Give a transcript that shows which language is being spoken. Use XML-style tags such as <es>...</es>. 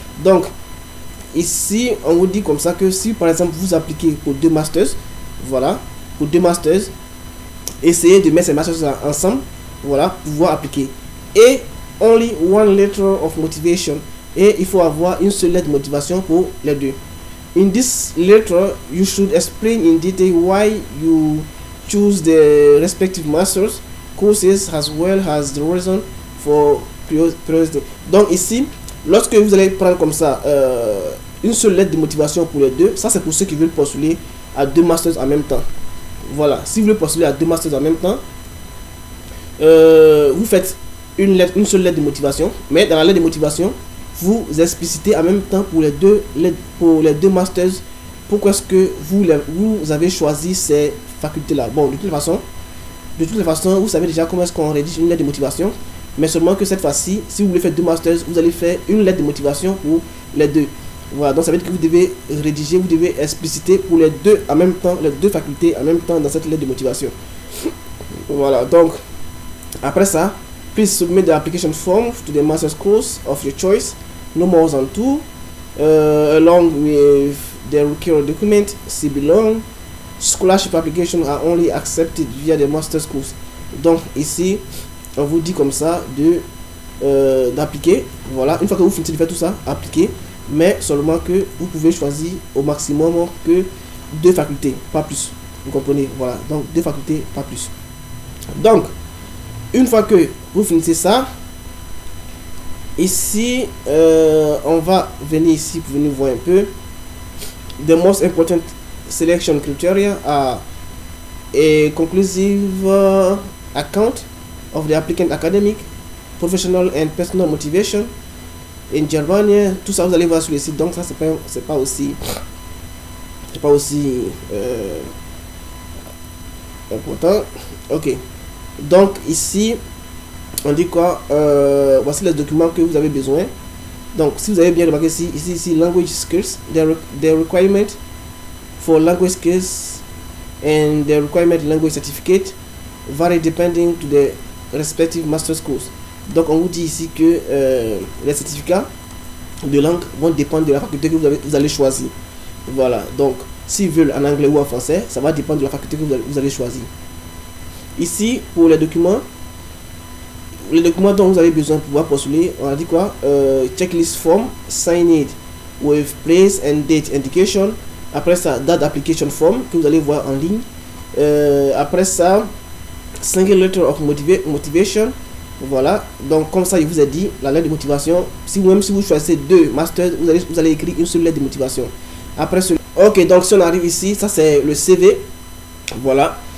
<fr>Donc, ici, on vous dit comme ça que si par exemple vous appliquez pour deux master's, voilà, pour deux master's, essayez de mettre ces master's ensemble, voilà, pour pouvoir appliquer. Et</fr> <en>only one letter of motivation.</en> <fr>Et il faut avoir une seule lettre de motivation pour les deux.</fr> <en>In this letter, you should explain in detail why you choose the respective master's courses as well as the reason for priority.</en> <fr>Donc ici, lorsque vous allez prendre comme ça une seule lettre de motivation pour les deux, ça c'est pour ceux qui veulent postuler à deux masters en même temps. Voilà, si vous voulez postuler à deux masters en même temps, vous faites une lettre, une seule lettre de motivation, mais dans la lettre de motivation, vous explicitez en même temps pour les deux lettres, pour les deux masters, pourquoi est-ce que vous avez choisi ces facultés là. Bon, de toute façon, vous savez déjà comment est-ce qu'on rédige une lettre de motivation, mais seulement que cette fois-ci, si vous voulez faire deux masters, vous allez faire une lettre de motivation pour les deux. Voilà, donc ça veut dire que vous devez expliciter pour les deux en même temps, les deux facultés en même temps dans cette lettre de motivation. Voilà, donc après ça,</fr> <en>please submit the application form to the master's course of your choice, no more than two, along with the required document, see below. Scholarship applications are only accepted via the master's course.</en> <fr>Donc ici, on vous dit comme ça d'appliquer. Voilà, une fois que vous finissez de faire tout ça, appliquez, mais seulement que vous pouvez choisir au maximum que deux facultés, pas plus. Vous comprenez? Voilà, donc deux facultés, pas plus. Donc, une fois que vous finissez ça, ici, on va venir ici pour venir voir un peu.</fr> <en>The most important selection criteria are a conclusive account of the applicant academic, professional and personal motivation in Germany.</en> <fr>Tout ça, vous allez voir sur le site. Donc ça, c'est pas aussi important. Ok. Donc ici, on dit quoi? Voici les documents que vous avez besoin. Donc si vous avez bien remarqué ici,</fr> <en>language skills, the requirement for language skills and the requirement language certificate vary depending to the respective master's course.</en> <fr>Donc on vous dit ici que les certificats de langue vont dépendre de la faculté que vous allez choisir. Voilà, donc s'ils veulent en anglais ou en français, ça va dépendre de la faculté que vous allez choisir. Ici, pour les documents dont vous avez besoin pour pouvoir postuler, on a dit quoi?</fr> <en>Checklist form, signed with place and date indication.</en> <fr>Après ça,</fr> <en>date application form</en> <fr>que vous allez voir en ligne. Après ça,</fr> <en>single letter of motivation.</en> <fr>Voilà, donc comme ça, je vous ai dit, la lettre de motivation, si vous choisissez deux masters, vous allez écrire une seule lettre de motivation. Après cela, ok, donc si on arrive ici, ça c'est le CV. Voilà.</fr>